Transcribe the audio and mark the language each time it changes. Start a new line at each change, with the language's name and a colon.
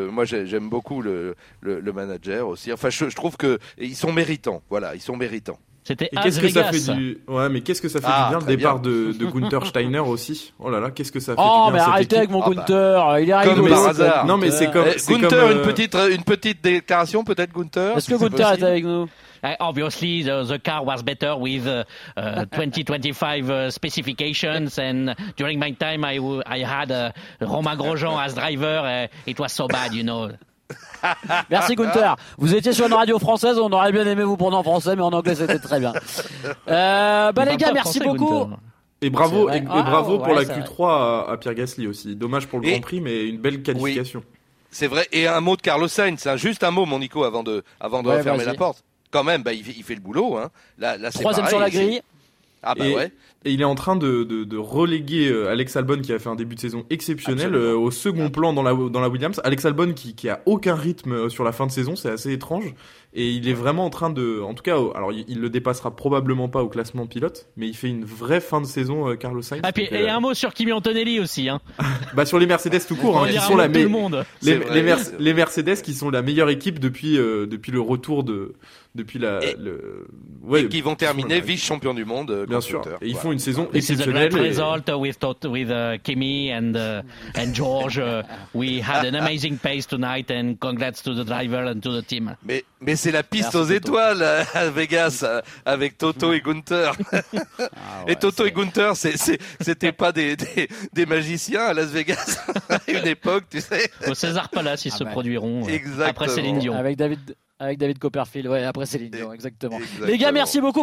French: Moi, j'aime beaucoup le manager aussi. Enfin, je trouve qu'ils sont méritants. Voilà, ils sont méritants. C'était et qu'est-ce que ça fait du ouais mais qu'est-ce que ça fait du bien le départ bien. De Gunther Steiner aussi. Oh là là, qu'est-ce que ça fait oh, du bien. Oh mais arrêtez avec mon Gunther, il est arrivé comme par hasard. Non mais c'est comme Gunther, une petite déclaration peut-être Gunther. Est-ce que Gunther est avec nous?
English: Obviously, the car was better with 2025 specifications. And during my time, I had Romain Grosjean as driver. It was so bad, you know.
French: Merci Gunther. Vous étiez sur une radio française, on aurait bien aimé vous prendre en français, mais en anglais c'était très bien. Bah les gars, merci français, beaucoup. Gunther. Et bravo, et bravo pour la Q3 à Pierre Gasly aussi. Dommage pour le Grand Prix, mais une belle qualification. Oui, c'est vrai. Et un mot de Carlos Sainz, hein. Juste un mot, mon Nico, avant de fermer la porte. Quand même, bah, il fait le boulot. Hein. Là, c'est troisième pareil, sur la grille. Ah bah ouais. Et il est en train de reléguer Alex Albon, qui a fait un début de saison exceptionnel, au second plan dans la Williams. Alex Albon qui a aucun rythme sur la fin de saison, c'est assez étrange. Et il est vraiment en train de... En tout cas, alors il le dépassera probablement pas au classement pilote, mais il fait une vraie fin de saison, Carlos Sainz. Ah, et un mot sur Kimi Antonelli aussi. Hein. Bah, sur les Mercedes tout court. On dirait tout le monde. Les Mercedes qui sont la meilleure équipe depuis le retour de... Depuis la, et qui vont terminer vice-champion du monde, bien sûr. Et ils font une saison exceptionnelle.
English: This is a great result with Kimi and George. We had an amazing pace tonight and congrats to the driver and to the team.
French: Mais c'est la piste aux étoiles à Vegas avec Toto et Gunther. Et Toto et Gunther, c'était pas des magiciens à Las Vegas à une époque, tu sais. Au César Palace, ils se produiront après Céline Dion. Avec David Copperfield, ouais, après Céline Dion, exactement. Les gars, merci beaucoup.